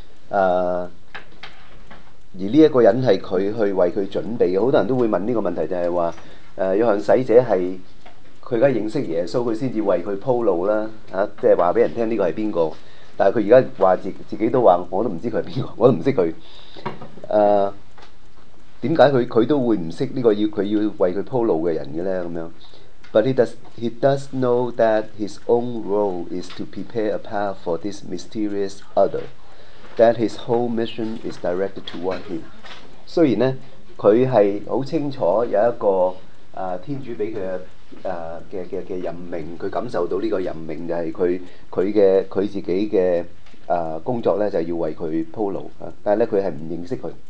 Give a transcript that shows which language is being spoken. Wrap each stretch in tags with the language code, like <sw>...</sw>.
<zh>而這個人是他去為他準備的。很多人都會問這個問題，就是說約翰洗者是他現在認識耶穌，他才為他鋪路，就是告訴人這個是誰，但他現在說自己都說我都不知道他是誰，我都不認識他，為什麼 他都會不認識這個他要為他鋪路的人呢？</zh> <en>But he does know that his own role is to prepare a path for this mysterious other, that his whole mission is directed toward him.</en> <zh>雖然呢他是很清楚有一個天主給他的的任命，他感受到這個任命，就是 他自己的工作就是要為他鋪路，但是他是不認識他。</zh>